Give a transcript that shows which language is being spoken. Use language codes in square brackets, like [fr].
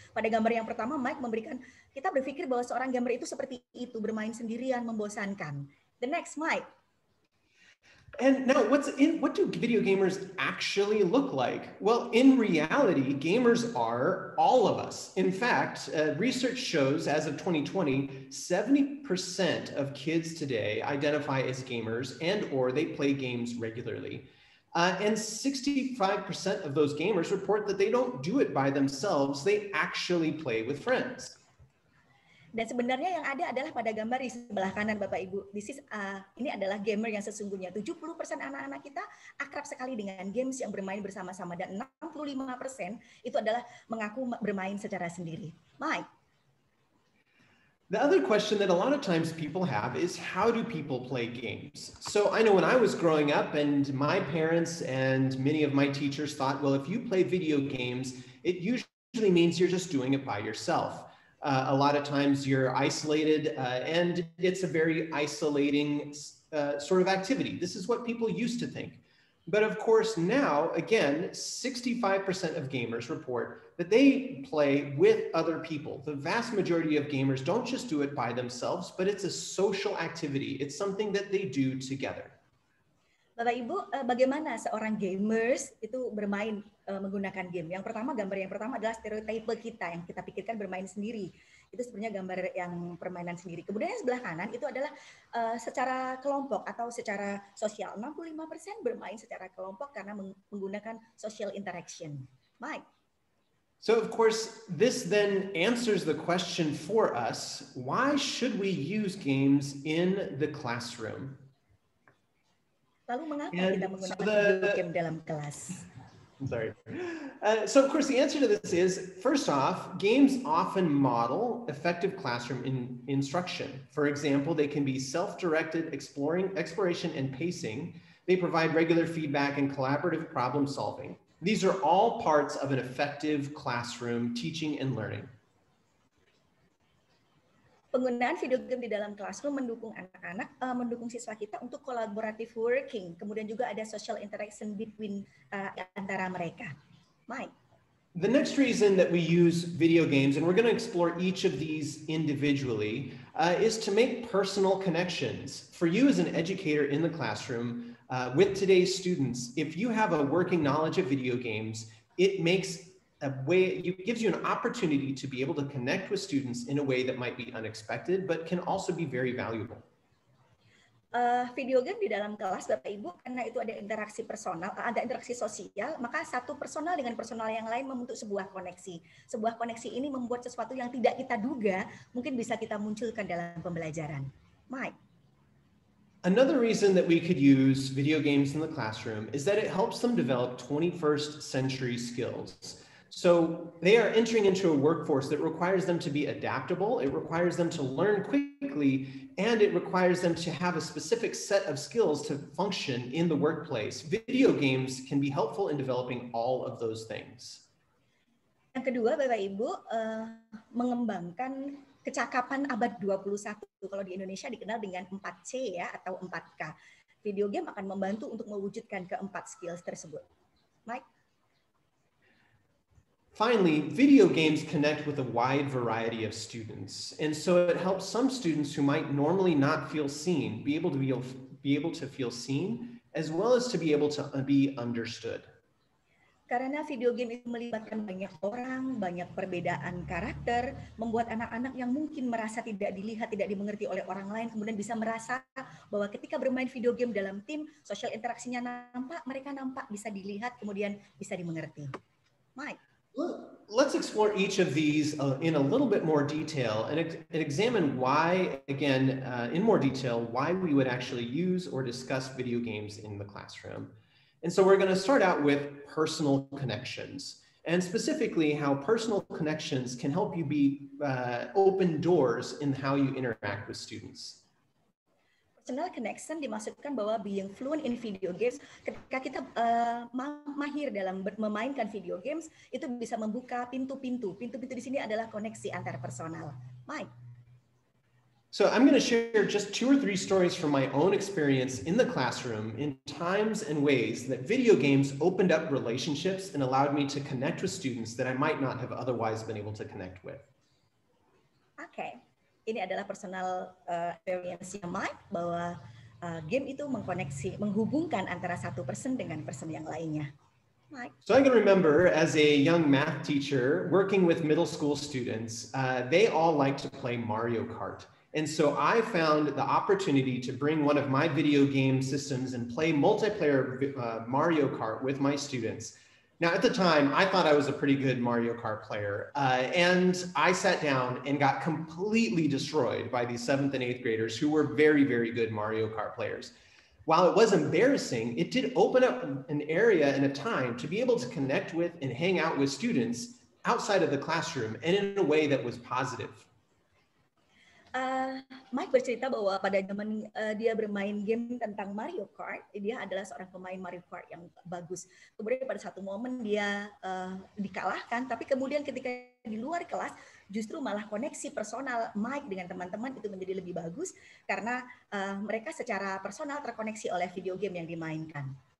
[id] Pada gambar yang pertama, Mike memberikan, kita berpikir bahwa seorang gamer itu seperti itu, bermain sendirian, membosankan. [en] The next, Mike. And now, what do video gamers actually look like? Well, in reality, gamers are all of us. In fact, research shows, as of 2020, 70% of kids today identify as gamers and or they play games regularly. And 65% of those gamers report that they don't do it by themselves. They actually play with friends. [id] Dan sebenarnya yang ada adalah pada gambar di sebelah kanan Bapak Ibu. [en] This is [id] ini adalah gamer yang sesungguhnya. 70% anak-anak kita akrab sekali dengan games yang bermain bersama-sama, dan 65% itu adalah mengaku bermain secara sendiri. Mike. [en] The other question that a lot of times people have is, how do people play games? So I know when I was growing up, and my parents and many of my teachers thought, well, if you play video games, it usually means you're just doing it by yourself. A lot of times you're isolated, and it's a very isolating sort of activity. This is what people used to think. But of course, now, again, 65% of gamers report that they play with other people. The vast majority of gamers don't just do it by themselves, but it's a social activity. It's something that they do together. [id] Bapak Ibu, bagaimana seorang gamers itu bermain menggunakan game? Yang pertama, gambar yang pertama adalah stereotype kita yang kita pikirkan bermain sendiri. Itu sebenarnya gambar yang permainan sendiri. Kemudian yang sebelah kanan itu adalah secara kelompok atau secara sosial. 65% bermain secara kelompok karena menggunakan social interaction. Mike. [en] So of course, this then answers the question for us, why should we use games in the classroom? [id] Lalu mengapa and kita menggunakan game dalam kelas? [en] I'm sorry. So of course, the answer to this is, first off, games often model effective classroom instruction. For example, they can be self-directed exploration and pacing. They provide regular feedback and collaborative problem solving. These are all parts of an effective classroom teaching and learning. [id] Penggunaan video game di dalam classroom mendukung anak-anak, mendukung siswa kita untuk collaborative working. Kemudian juga ada [en] social interaction between [id] antara mereka. Mike. [en] The next reason that we use video games, and we're going to explore each of these individually, is to make personal connections. For you as an educator in the classroom, with today's students, if you have a working knowledge of video games, it makes a way, it gives you an opportunity to be able to connect with students in a way that might be unexpected, but can also be very valuable. [id] Video game di dalam kelas, Bapak Ibu, karena itu ada interaksi personal, ada interaksi sosial, maka satu personal dengan personal yang lain membentuk sebuah koneksi. Sebuah koneksi ini membuat sesuatu yang tidak kita duga mungkin bisa kita munculkan dalam pembelajaran. Mike. [en] Another reason that we could use video games in the classroom is that it helps them develop 21st century skills. So they are entering into a workforce that requires them to be adaptable, it requires them to learn quickly, and it requires them to have a specific set of skills to function in the workplace. Video games can be helpful in developing all of those things. [id] Yang kedua, Bapak Ibu, mengembangkan kecakapan abad 21, kalau di Indonesia dikenal dengan 4C ya, atau 4K. Video game akan membantu untuk mewujudkan keempat skills tersebut. Mike. [en] Finally, video games connect with a wide variety of students. And so it helps some students who might normally not feel seen be able to feel seen as well as to be able to be understood. [id] Karena video game itu melibatkan banyak orang, banyak perbedaan karakter, membuat anak-anak yang mungkin merasa tidak dilihat, tidak dimengerti oleh orang lain, kemudian bisa merasa bahwa ketika bermain video game dalam tim, social interaksinya nampak, mereka nampak bisa dilihat, kemudian bisa dimengerti. Mike. [en] Let's explore each of these in a little bit more detail and examine why, again, in more detail, why we would actually use or discuss video games in the classroom. And so we're going to start out with personal connections, and specifically how personal connections can help you be open doors in how you interact with students. [id] Personal connection dimaksudkan bahwa [en] being fluent in video games, [id] ketika kita mahir dalam memainkan video games, itu bisa membuka pintu-pintu. Pintu-pintu di sini adalah koneksi antar personal. Mike. [en] So I'm going to share just two or three stories from my own experience in the classroom in times and ways that video games opened up relationships and allowed me to connect with students that I might not have otherwise been able to connect with. Okay. [id] Ini adalah personal experience-nya Mike, bahwa game itu mengkoneksi, menghubungkan antara satu person dengan person yang lainnya. [en] So I can remember as a young math teacher working with middle school students, they all liked to play Mario Kart. And so I found the opportunity to bring one of my video game systems and play multiplayer Mario Kart with my students. Now, at the time, I thought I was a pretty good Mario Kart player, and I sat down and got completely destroyed by these seventh and eighth graders who were very, very good Mario Kart players. While it was embarrassing, it did open up an area and a time to be able to connect with and hang out with students outside of the classroom and in a way that was positive. [id] Mike bercerita bahwa pada zaman dia bermain game tentang Mario Kart, dia adalah seorang pemain Mario Kart yang bagus. Kemudian pada satu momen dia dikalahkan, tapi kemudian ketika di luar kelas, justru malah koneksi personal Mike dengan teman-teman itu menjadi lebih bagus, karena mereka secara personal terkoneksi oleh video game yang dimainkan.